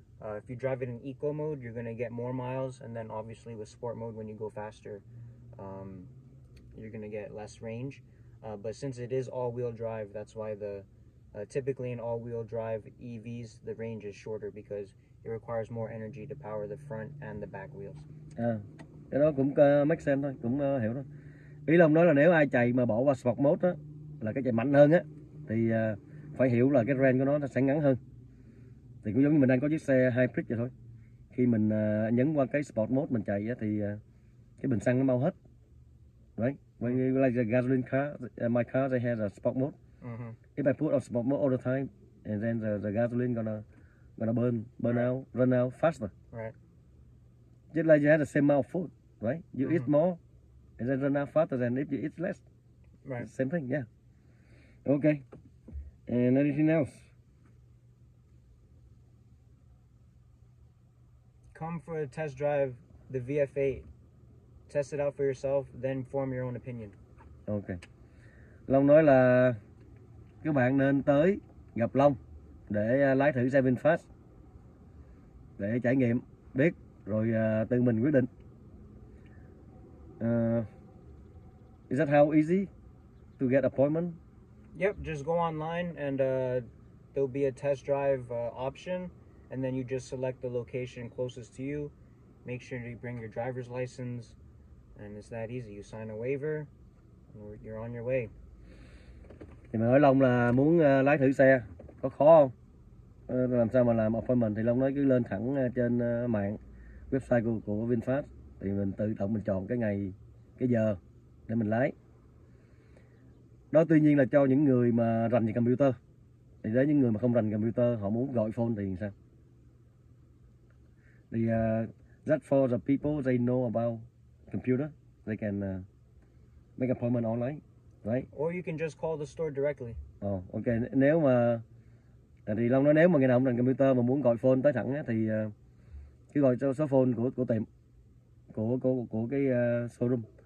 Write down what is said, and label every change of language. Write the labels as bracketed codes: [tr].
[en] If you drive it in Eco mode, you're gonna get more miles, and then obviously with Sport mode, when you go faster, you're gonna get less range. But since it is all-wheel drive, that's why the typically in all-wheel drive EVs, the range is shorter because it requires more energy to power the front and the back wheels. [vi] Cái đó cũng [en] make sense [vi] thôi, cũng hiểu đó. Ý là ông nói là nếu ai chạy mà bỏ qua Sport mode á, là cái chạy mạnh hơn á, thì phải hiểu là cái range của nó sẽ ngắn hơn. Thì cũng giống như mình đang có chiếc xe hybrid vậy thôi. Khi mình nhấn qua cái Sport mode mình chạy á, thì cái bình xăng nó mau hết. Đấy. [en] When you like the gasoline car, my car, they have a Sport mode. Mm-hmm. If I put on Sport mode all the time, and then the gasoline gonna burn right. out, run out faster. Right. Just like you have the same amount of food, right? You mm-hmm. eat more, and then run out faster than if you eat less. Right. It's same thing, yeah. Okay. And anything else? Come for a test drive, the VF8. Test it out for yourself, then form your own opinion. Okay. [vi] Long nói là các bạn nên tới gặp Long để lái thử xe VinFast để trải nghiệm, biết rồi tự mình quyết định. [en] Is that how easy to get appointment? Yep, just go online and there'll be a test drive option, and then you just select the location closest to you. Make sure you bring your driver's license. And it's that easy. You sign a waiver, you're on your way. [vi] Thì mình hỏi Long là muốn lái thử xe có khó không? Làm sao mà làm appointment? Thì Long nói cứ lên thẳng trên mạng website của VinFast, thì mình tự động mình chọn cái ngày, cái giờ để mình lái. Đó tuy nhiên là cho những người mà rành về computer. Thì đấy những người mà không rành computer, họ muốn gọi phone thì sao? [en] Thì that for the people they know about computer, they can make appointment online, right? Or you can just call the store directly. Oh, okay. [vi] Nếu mà thì Long nói nếu mà người nào không rành computer mà muốn gọi phone tới thẳng á, thì cứ gọi cho số phone của tiệm của cái showroom.